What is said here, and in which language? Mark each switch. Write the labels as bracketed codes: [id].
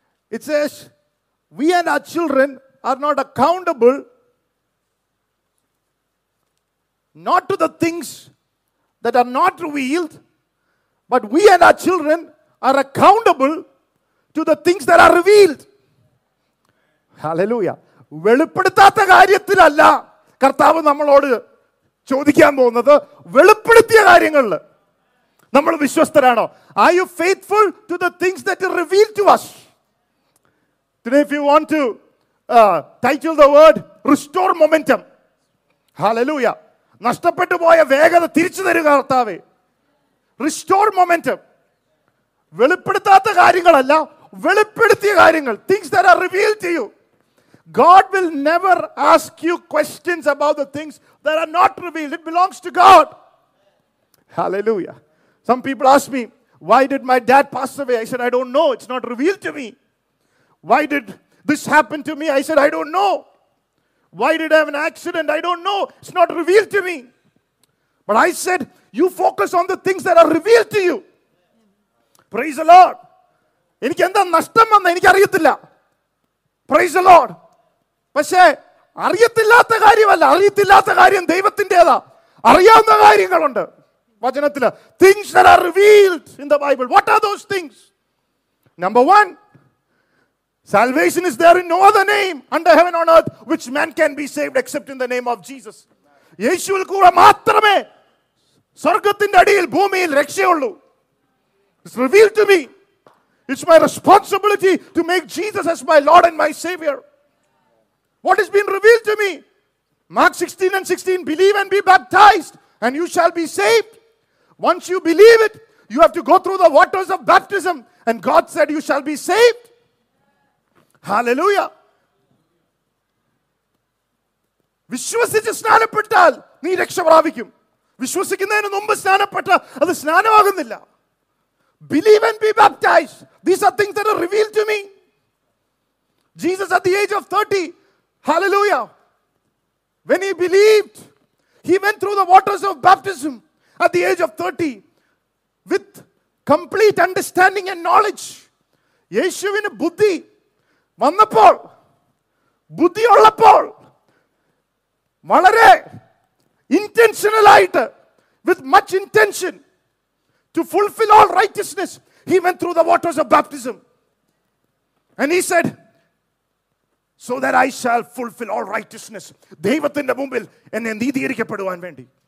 [en] It says, we and our children are not accountable, not to the things that are not revealed, but we and our children are accountable to the things that are revealed. Hallelujah. [ml] വെളിപ്പെടുത്താത്ത കാര്യത്തിലല്ല കർത്താവ് നമ്മളോട് ചോദിക്കാൻ പോകുന്നത്, വെളിപ്പെടുത്തിയ കാര്യങ്ങളിൽ നമ്മൾ വിശ്വസ്തരാണോ? [en] Are you faithful to the things that are revealed to us? Today, if you want to title the word, restore momentum. Hallelujah. [ml] നഷ്ടപ്പെട്ടു പോയ വേഗത തിരിച്ചു തരുക കർത്താവേ. [en] Restore momentum. [ml] വെളിപ്പെടുത്താത്ത കാര്യങ്ങളല്ല, വെളിപ്പെടുത്തിയ കാര്യങ്ങൾ. [en] Things that are revealed to you. God will never ask you questions about the things that are not revealed. It belongs to God. Hallelujah. Some people ask me, why did my dad pass away? I said, I don't know. It's not revealed to me. Why did this happen to me? I said, I don't know. Why did I have an accident? I don't know. It's not revealed to me. But I said, you focus on the things that are revealed to you. Praise the Lord. [ml] എനിക്ക് എന്താ നഷ്ടം വന്ന എനിക്ക് അറിയത്തില്ല. [en] Praise the Lord. [ml] പക്ഷേ അറിയത്തില്ലാത്ത കാര്യമല്ല, അറിയത്തില്ലാത്ത കാര്യം ദൈവത്തിൻ്റെതാ. അറിയാവുന്ന കാര്യങ്ങളുണ്ട് വചനത്തിൽ. [en] Things that are revealed in the Bible. What are those things? Number one, salvation is there in no other name under heaven on earth which man can be saved except in the name of Jesus. [ml] യേശുവിൽ കൂടെ മാത്രമേ സ്വർഗത്തിന്റെ അടിയിൽ ഭൂമിയിൽ രക്ഷയുള്ളൂ. [en] It's revealed to me. It's my responsibility to make Jesus as my Lord and my Savior. What has been revealed to me? Mark 16:16, believe and be baptized and you shall be saved. Once you believe it, you have to go through the waters of baptism and God said you shall be saved. Hallelujah. [ml] വിശ്വസിച്ച് സ്നാനപ്പെട്ടാൽ നീ രക്ഷ പ്രാപിക്കും. വിശ്വസിക്കുന്നതിന് മുമ്പ് സ്നാനപ്പെട്ട അത് സ്നാനമാകുന്നില്ല. [en] Believe and be baptized. These are things that are revealed to me. Jesus at the age of 30. Hallelujah. When he believed, he went through the waters of baptism at the age of 30 with complete understanding and knowledge. [ml] യേശുവിന് ബുദ്ധി വന്നപ്പോൾ, ബുദ്ധി ഉള്ളപ്പോൾ, വളരെ intentional ആയിട്ട്, [en] with much intention to fulfill all righteousness, he went through the waters of baptism. And he said, so that I shall fulfill all righteousness. [ml] ദൈവത്തിന്റെ മുമ്പിൽ എന്നെ നീതീകരിക്കപ്പെടുവാൻ വേണ്ടി.